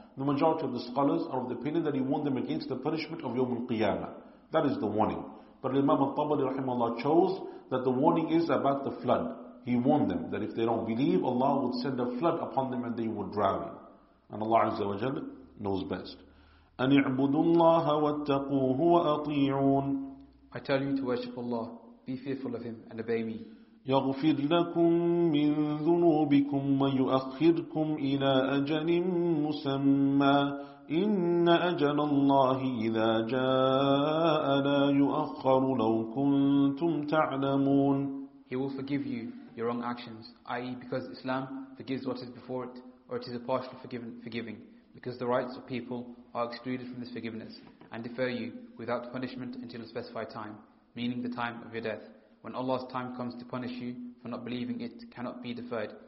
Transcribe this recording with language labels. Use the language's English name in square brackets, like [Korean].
[English] The majority of the scholars are of the opinion that he warned them against the punishment of Yawm al-Qiyamah. That is the warning. But Imam al-Tabari rahimahullah chose that the warning is about the flood. He warned them that if they don't believe, Allah would send a flood upon them and they would drown. And Allah [Arabic] Azza wa Jal [English] knows best. [Arabic] أن اعبدوا الله واتقوه وأطيعون. [English] I tell you to worship Allah, be fearful of Him and obey me. [Arabic] يغفر لكم من ذنوبكم ويؤخركم إلى أجل مسمى إن أجل الله إذا جاء لا يؤخر لو كنتم تعلمون. [English] He will forgive you your wrong actions, i.e. because Islam forgives what is before it, or it is a partial forgiving. Because the rights of people are excluded from this forgiveness, and defer you without punishment until a specified time, meaning the time of your death. When Allah's time comes to punish you for not believing, it cannot be deferred.